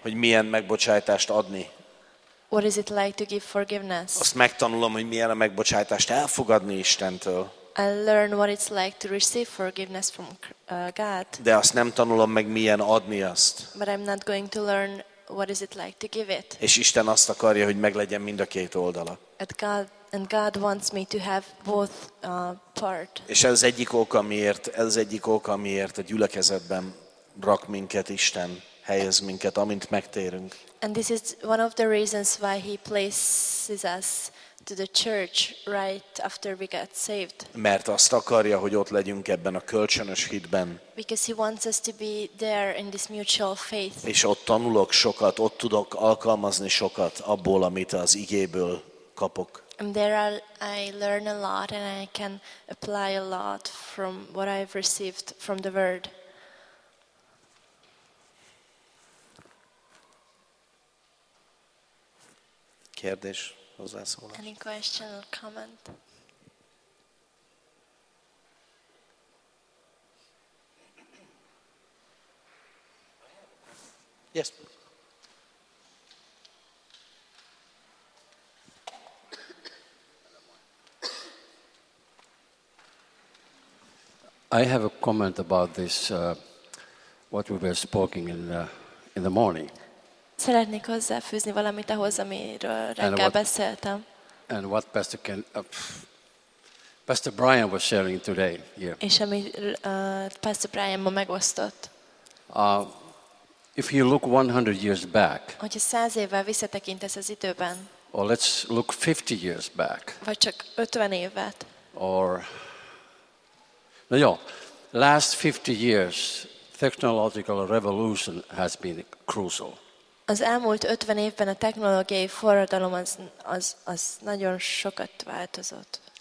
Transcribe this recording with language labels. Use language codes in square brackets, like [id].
[hu] Hogy milyen megbocsájtást adni. [en] What is it like to give forgiveness? [hu] Azt megtanulom, hogy milyen a megbocsájtást elfogadni Istentől. [en] I learn what it's like to receive forgiveness from God. [hu] De azt nem tanulom meg, milyen adni azt. [en] But I'm not going to learn what is it like to give it. [hu] És Isten azt akarja, hogy meglegyen mind a két oldala. [en] And God wants me to have both part. [hu] És ez egyik oka, amiért a gyülekezetben rak minket Isten, helyez minket, amint megtérünk. [en] And this is one of the reasons why he places us to the church right after we got saved. [hu] Mert azt akarja, hogy ott legyünk ebben a kölcsönös hitben. [en] Because he wants us to be there in this mutual faith. [hu] És ott tanulok sokat, ott tudok alkalmazni sokat abból, amit az igéből kapok. [en] And there I learn a lot and I can apply a lot from what I've received from the word. [hu] Kérdés, hozzászólás. [en] Any question or comment? Yes. I have a comment about this what we were spoken in the morning. [hu] Szeretnék hozzáfűzni valamit ahhoz, amiről reggel beszéltem. [en] And what Pastor Ken, Pastor Brian was sharing today here. [hu] És amit Pastor Brian ma megosztott. [en] If you look 100 years back. [hu] Hogyha 100 évvel visszatekintesz az időben. [en] Or let's look 50 years back. [hu] Vagy csak 50 évet. [en] Or no, jó, last 50 years technological revolution has been crucial. [hu] Az elmúlt 50 évben a technológiai forradalom az nagyon sokat változott.